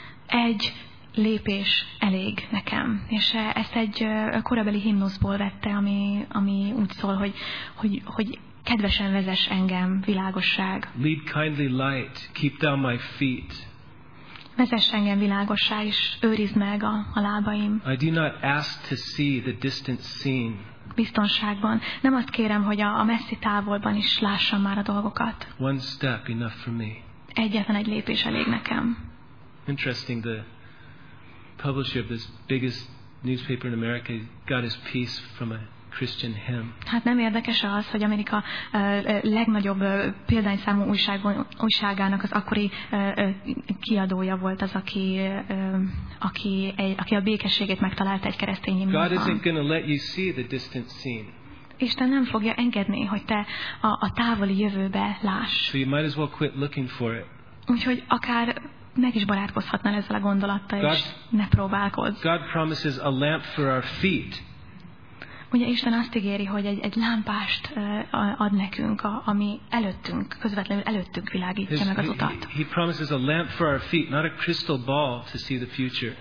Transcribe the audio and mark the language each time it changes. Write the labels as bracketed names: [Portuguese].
[Hungarian] Egy lépés elég nekem. És ezt egy korabeli himnuszból vette, ami úgy szól, hogy kedvesen vezess engem, világosság. [English] Lead kindly light, keep down my feet. [Hungarian] Vezess engem, világosság, és őrizd meg a lábaim. [English] I do not ask to see the distant scene. [Hungarian] Biztonságban. Nem azt kérem, hogy a messzi távolban is lássam már a dolgokat. [English] One step enough for me. [Hungarian] Egyetlen egy lépés elég nekem. [English] Interesting, the publisher of this biggest newspaper in America got his piece from a Christian hymn. [Hungarian] Hát nem érdekes az, hogy Amerika legnagyobb példányszámú újságának az akkori kiadója volt az, aki a békességét megtalálta egy keresztény hymnusban. [English] God isn't going to let you see the distant scene. [Hungarian] Isten nem fogja engedni, hogy te a távoli jövőbe láss. [English] So you might as well quit looking for it. [Hungarian] Úgyhogy akár meg is barátkozhatnál ezzel a gondolattal, és ne próbálkozz. [English] God promises a lamp for our feet. [Hungarian] Ugye Isten azt ígéri, hogy egy lámpást ad nekünk, ami előttünk, közvetlenül előttünk világítja meg az utat. [English] He promises a lamp for our feet, not a crystal ball to see the future.